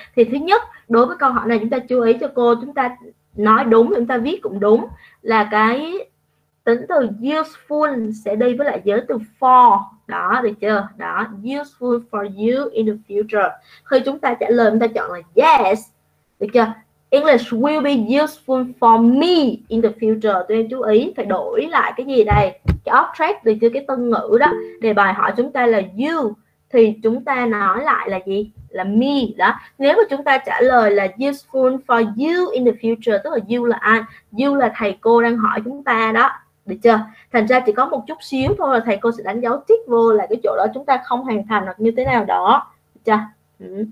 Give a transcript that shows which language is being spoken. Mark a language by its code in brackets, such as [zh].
[vi] Thì thứ nhất, đối với câu hỏi này chúng ta chú ý cho cô, chúng ta nói đúng, chúng ta viết cũng đúng, là cái tính từ useful sẽ đi với lại giới từ for. Đó, được chưa? Đó, [en] useful for you in the future. [vi] Khi chúng ta trả lời, chúng ta chọn là yes. Được chưa? [en] English will be useful for me in the future. [vi] Tụi em chú ý phải đổi lại cái gì đây? Cái object từ cái tân ngữ đó. Đề bài hỏi chúng ta là you thì chúng ta nói lại là gì? Là me đó. Nếu mà chúng ta trả lời là [en] useful for you in the future, [vi] tức là you là ai? You là thầy cô đang hỏi chúng ta đó. Được chưa? Thành ra chỉ có một chút xíu thôi là thầy cô sẽ đánh dấu tick vô là cái chỗ đó chúng ta không hoàn thành hoặc như thế nào đó. Được chưa?